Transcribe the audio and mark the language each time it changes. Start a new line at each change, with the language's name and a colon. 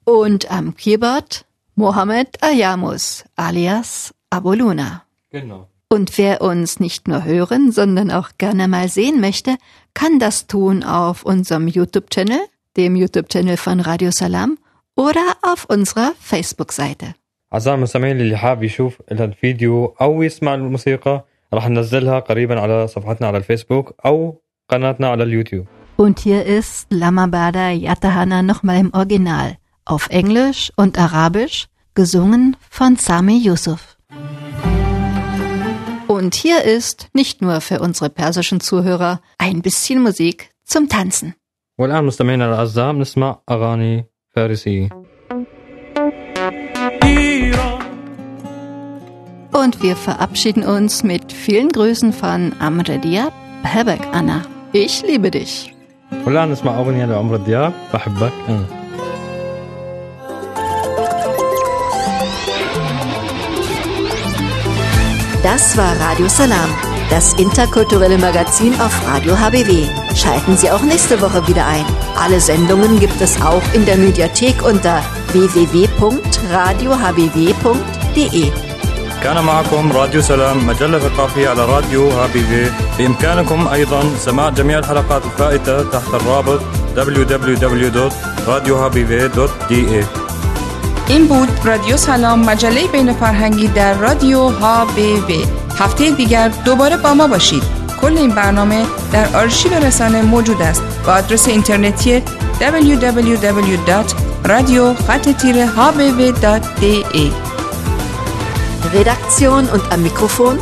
German: und am Keyboard Mohamed Ayamus alias Abu Luna. Genau. Und wer uns nicht nur hören, sondern auch gerne mal sehen möchte, kann das tun auf unserem YouTube-Channel, dem YouTube-Channel von Radio Salam, oder auf unserer Facebook-Seite.
Arabic: أعزائي المستمعين، اللي حاب يشوف الفيديو أو يسمع الموسيقى راح ننزلها قريبا على صفحتنا على الفيسبوك أو قناتنا على اليوتيوب.
German: Und hier ist Lama Bada Yatahana nochmal im Original auf Englisch und Arabisch gesungen von Sami Yusuf. Und hier ist nicht nur für unsere persischen Zuhörer ein bisschen Musik zum Tanzen.
Arabic: والآن مستمعينا الأعزاء نسمع أغاني فارسية.
German: Und wir verabschieden uns mit vielen Grüßen von Amr Diab
Arabic: بحبك أنا.
German: إيش ليبي ديش؟
Arabic: ولا نسمع أغنية لعمر دياب بحبك أنا.
German: Das war Radio Salam, das interkulturelle Magazin auf Radio HBW. Schalten Sie auch nächste Woche wieder ein. Alle Sendungen gibt es auch in der Mediathek unter www.radiohbw.de.
Arabic: كان معكم راديو سلام مجلة ثقافية على راديو HBW. بإمكانكم أيضا سماع جميع الحلقات الفائتة تحت الرابط www.radiohbw.de.
Persian: این بود رادیو سلام، مجله بین فرهنگی در رادیو HBW. هفته دیگر دوباره با ما باشید. کل این برنامه در آرشیو رسانه موجود است با آدرس اینترنتی www.radio-hbw.de.
German: Redaktion und am Mikrofon.